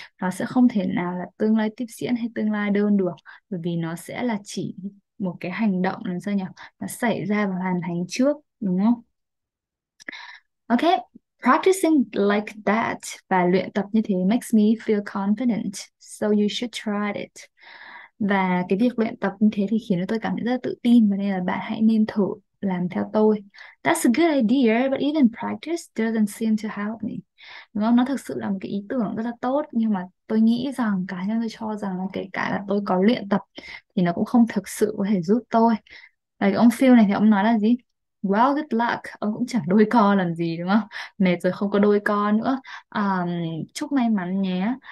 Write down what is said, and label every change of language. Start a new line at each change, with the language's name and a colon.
Vietnamese: Nó sẽ không thể nào là tương lai tiếp diễn hay tương lai đơn được, bởi vì nó sẽ là chỉ một cái hành động làm sao nhỉ, nó xảy ra và hoàn thành trước, đúng không?
English: Ok, practicing like that
Vietnamese: và luyện tập như thế
English: makes me feel confident, so you should try it.
Vietnamese: Và cái việc luyện tập như thế thì khiến cho tôi cảm thấy rất là tự tin, và nên là bạn hãy nên thử làm theo tôi.
English: That's a good idea, but even practice doesn't seem to help me.
Vietnamese: Đúng không? Nó thực sự là một cái ý tưởng rất là tốt, nhưng mà tôi nghĩ rằng, cá nhân tôi cho rằng là kể cả là tôi có luyện tập thì nó cũng không thực sự có thể giúp tôi. Và cái ông Phil này thì ông nói là gì?
English: Well, good luck.
Vietnamese: Ông cũng chẳng đôi co làm gì, đúng không? Mệt rồi không có đôi co nữa. Chúc may mắn nhé.